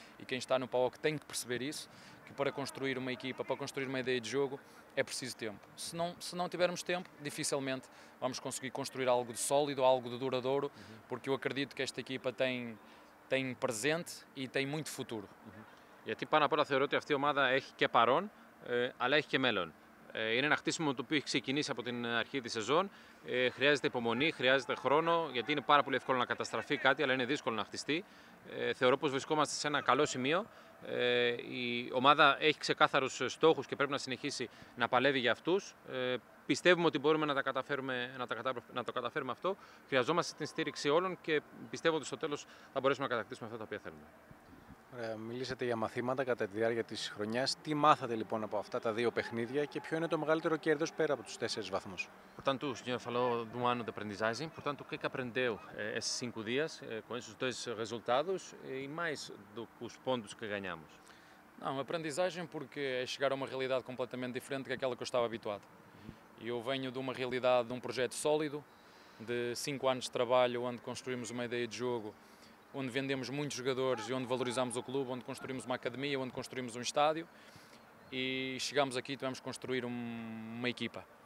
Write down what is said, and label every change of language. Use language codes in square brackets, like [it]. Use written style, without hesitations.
[pt] E quem está no palco tem que perceber isso. Que para construir uma equipa, para construir uma ideia de jogo, é preciso tempo. Se não tivermos tempo, dificilmente vamos conseguir construir algo de sólido, algo de duradouro. Porque eu acredito que esta equipa tem presente e tem muito futuro. [el] Γιατί πάνω απ' όλα θεωρώ ότι αυτή η ομάδα έχει και παρόν, αλλά έχει και μέλλον. Είναι ένα χτίσιμο το οποίο έχει ξεκινήσει από την αρχή της σεζόν. Χρειάζεται υπομονή, χρειάζεται χρόνο, γιατί είναι πάρα πολύ εύκολο να καταστραφεί κάτι, αλλά είναι δύσκολο να χτιστεί. Θεωρώ πως βρισκόμαστε σε ένα καλό σημείο. Η ομάδα έχει ξεκάθαρους στόχους και πρέπει να συνεχίσει να παλεύει για αυτούς. Πιστεύουμε ότι μπορούμε να τα καταφέρουμε, να το καταφέρουμε αυτό. Χρειαζόμαστε την στήριξη όλων και πιστεύω ότι στο τέλος θα μπορέσουμε να κατακτήσουμε αυτά τα οποία θέλουμε. Μιλήσατε για μαθήματα κατά τη διάρκεια της χρονιάς. Τι μάθατε λοιπόν από αυτά τα δύο παιχνίδια και ποιο είναι το μεγαλύτερο κέρδος πέρα από τους 4 βαθμούς? [pt] Portanto, o senhor falou de um ano de aprendizagem. Portanto, o que aprendeu esses 5 dias com esses dois resultados e mais do que os pontos que ganhamos? Não, aprendizagem porque é chegar a uma realidade completamente diferente que aquela que eu estava habituado. E eu venho de uma realidade, de um projeto sólido, de 5 anos de trabalho onde construímos uma ideia de jogo, onde vendemos muitos jogadores e onde valorizamos o clube, onde construímos uma academia, onde construímos um estádio, e chegamos aqui e tivemos que construir uma equipa.